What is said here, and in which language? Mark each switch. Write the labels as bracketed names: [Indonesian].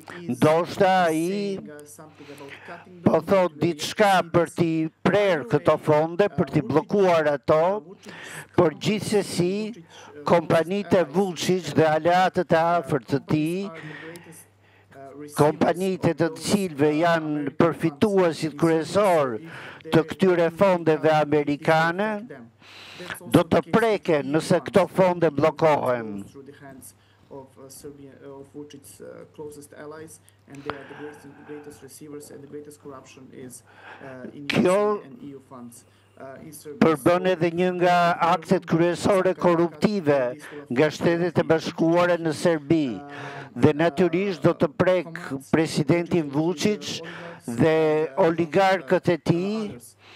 [Albanian] Ndoshta ai po thot diçka për t'i prerë këto fonde, për t'i bllokuar ato, por gjithsesi kompanitë e Vučić dhe aleatët e afërt të tij, kompanitë të cilëve janë përfituesit kryesor të këtyre fondeve amerikane, do të preken nëse këto fonde bllokohen. [English] Of Serbia, of Vučić's closest allies, and they are the greatest receivers, and the greatest corruption is in EU funds. [Albanian] Përbën edhe një nga aktet kryesore korruptive nga Shtetet e Bashkuara në Serbi, dhe natyrisht do të prek presidentin Vučić dhe oligarkët e tij.